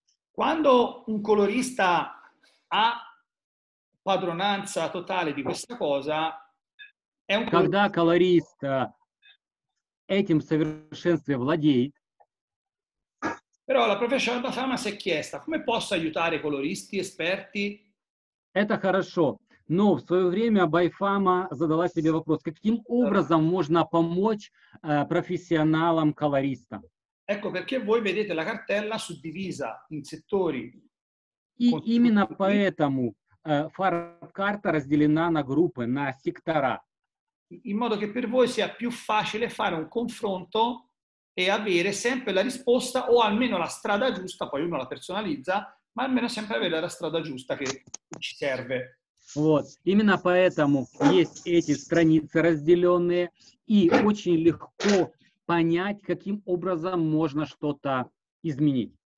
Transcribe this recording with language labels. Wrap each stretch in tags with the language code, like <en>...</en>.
<it>Quando un colorista ha padronanza totale di questa cosa, è un</it> <ru>когда colorist этим совершенстве владеет.</ru> <it>Però la professoressa Fama si è chiesta: come posso aiutare coloristi esperti?</it> <ru>Это хорошо. Но в свое время Байфама задала себе вопрос, каким образом можно помочь профессионалам колориста?</ru> <it>Ecco perché voi vedete la cartella suddivisa in settori.</it> <ru>И именно поэтому фарб-карта разделена на группы, на сектора.</ru> <it>In modo che per voi sia più facile fare un confronto e avere sempre la risposta o almeno la strada giusta, poi uno la personalizza, ma almeno sempre avere la strada giusta che ci serve.</it> <ru>Вот, именно поэтому есть эти страницы разделенные, и очень легко понять, каким образом можно что-то изменить.</ru>